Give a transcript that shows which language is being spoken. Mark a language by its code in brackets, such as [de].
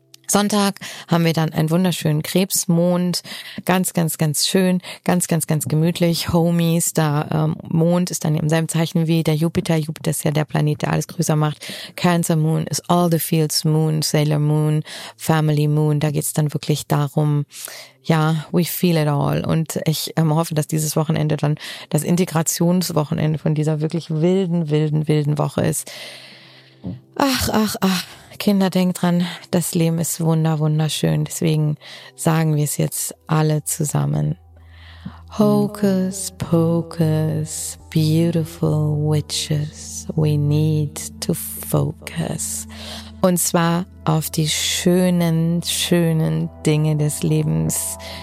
[de] Sonntag haben wir dann einen wunderschönen Krebsmond, ganz, ganz, ganz schön, ganz, ganz, ganz gemütlich, Homies, der Mond ist dann im selben Zeichen wie der Jupiter, Jupiter ist ja der Planet, der alles größer macht, Cancer Moon ist [en] all the fields Moon, [de] Sailor Moon, Family Moon, da geht's dann wirklich darum, ja, [en] we feel it all [de] und ich hoffe, dass dieses Wochenende dann das Integrationswochenende von dieser wirklich wilden, wilden, wilden Woche ist. Ach, Kinder, denkt dran, das Leben ist wunderschön. Deswegen sagen wir es jetzt alle zusammen. [en] Hocus pocus, beautiful witches, we need to focus. [de] Und zwar auf die schönen, schönen Dinge des Lebens.